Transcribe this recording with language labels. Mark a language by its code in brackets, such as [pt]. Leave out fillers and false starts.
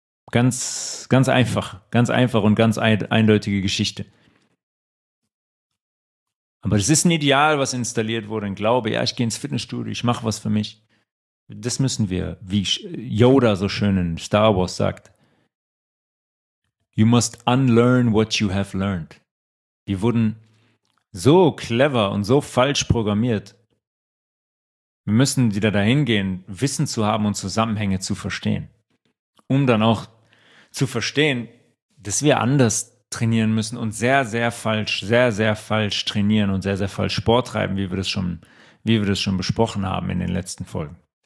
[de] Ganz, ganz einfach. Ganz einfach und ganz eindeutige Geschichte. Aber das ist ein Ideal, was installiert wurde. Ein Glaube, ja, ich gehe ins Fitnessstudio, ich mache was für mich. Das müssen wir, wie Yoda so schön in Star Wars sagt. [en] You must unlearn what you have learned. [de] Wir wurden so clever und so falsch programmiert. Wir müssen wieder dahin gehen, Wissen zu haben und Zusammenhänge zu verstehen. Um dann auch zu verstehen, dass wir anders trainieren müssen und sehr, sehr falsch trainieren und sehr, sehr falsch Sport treiben, wie wir das schon besprochen haben in den letzten Folgen.